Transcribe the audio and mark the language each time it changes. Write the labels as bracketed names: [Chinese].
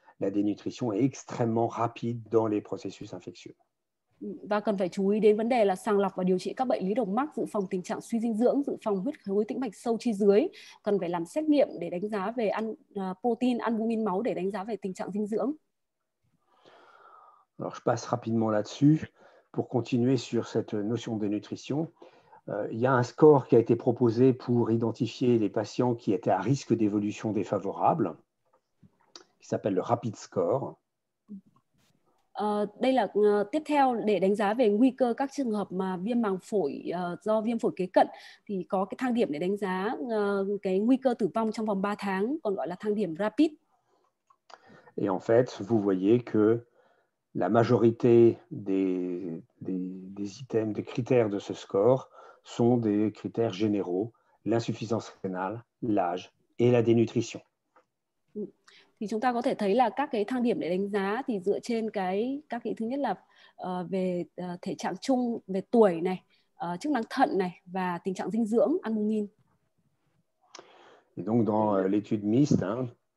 [French] La dénutrition est extrêmement rapide dans les processus infectieux. [Vietnamese] Và cần phải chú ý đến vấn đề là sàng lọc và điều trị các bệnh lý đồng mắc, dự phòng tình trạng suy dinh dưỡng, dự phòng huyết khối tĩnh mạch sâu chi dưới. Cần phải làm xét nghiệm để đánh giá về protein, albumin máu để đánh giá về tình trạng dinh dưỡng. [French] Alors, je passe rapidement là-dessus. Pour continuer sur cette notion de nutrition, il y a un score qui a été proposé pour identifier les patients qui étaient à risque d'évolution défavorable, qui s'appelle le Rapid Score. [Vietnamese] Đây là tiếp theo để đánh giá về nguy cơ các trường hợp mà viêm màng phổi do viêm phổi kế cận thì có cái thang điểm để đánh giá cái nguy cơ tử vong trong vòng 3 tháng, còn gọi là thang điểm Rapid. [French] Et en fait, vous voyez que la majorité des items, des critères de ce score sont des critères généraux, l'insuffisance rénale, l'âge et la dénutrition. [Vietnamese] Thì chúng ta có thể thấy là các cái thang điểm để đánh giá thì dựa trên các cái thứ nhất là về thể trạng chung, về tuổi này, chức năng thận này và tình trạng dinh dưỡng, albumin. [French] Et donc dans l'étude mixte, hein,